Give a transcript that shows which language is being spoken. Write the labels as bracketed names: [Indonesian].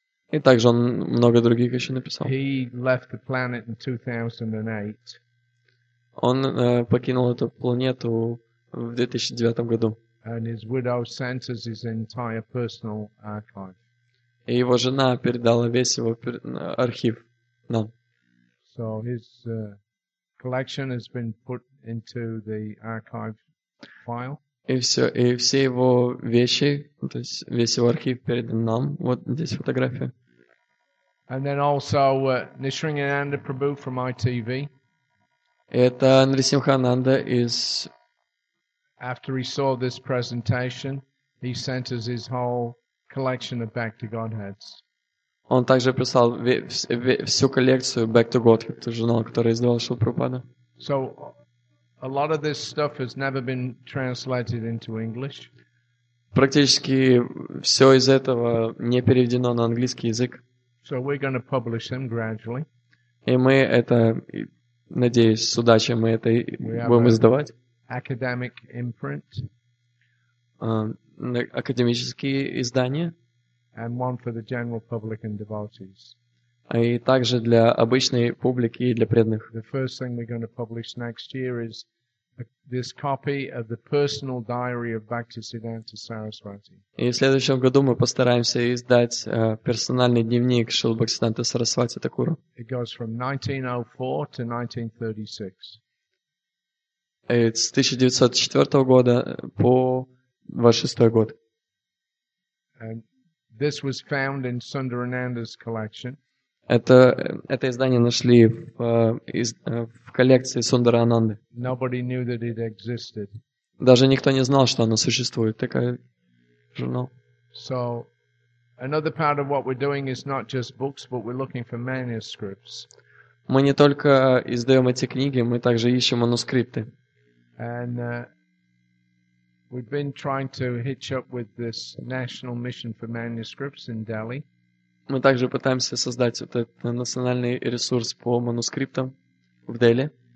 [Russian] И также он много других еще написал. [English] He left the planet in 2008. [Russian] Он покинул эту планету в 2009 году. [English] And his widow sent us his entire personal archive. [Russian] И его жена передала весь его архив нам. [English] So his collection has been put into the archive file. [Russian] И все его вещи, то есть весь его архив передан нам. Вот здесь фотография. [English] And then also Nisringananda Prabhu from ITV. [Russian] Это Нрисимхананда из. [English] After he saw this presentation, he sent us his whole collection of Back to Godheads. [Russian] Он также прислал всю коллекцию Back to Godhead, журнал, который издавал Шрила Прабхупада. [English] So a lot of this stuff has never been translated into English. [Russian] Практически все из этого не переведено на английский язык. [English] So we're going to publish them gradually. [Russian] И мы это, надеюсь, с удачей мы это будем издавать. [English] Academic imprint. [Russian] Академические издания. [English] And one for the general public and devotees. [Russian] И также для обычной публики и для преданных. [English] The first thing we're going to publish next year is this copy of the personal diary of Bhaktisiddhanta Saraswati. [Russian] И в следующем году мы постараемся издать персональный дневник Шрилы Бхактисиддханты Сарасвати Такура. [English] It goes from 1904 to 1936. [Russian] С 1904 года по 1906 год. [English] And this was found in Sundarananda's collection. [Russian] Это издание нашли в коллекции Сундарананды. [English] Nobody knew that it existed. [Russian] Даже никто не знал, что оно существует. Такой журнал. [English] So, another part of what we're doing is not just books, but we're looking for manuscripts. [Russian] Мы не только издаем эти книги, мы также ищем манускрипты. [English] And we've been trying to hitch up with this National Mission for Manuscripts in Delhi. [Russian] Мы также пытаемся создать вот этот национальный ресурс по манускриптам в Дели.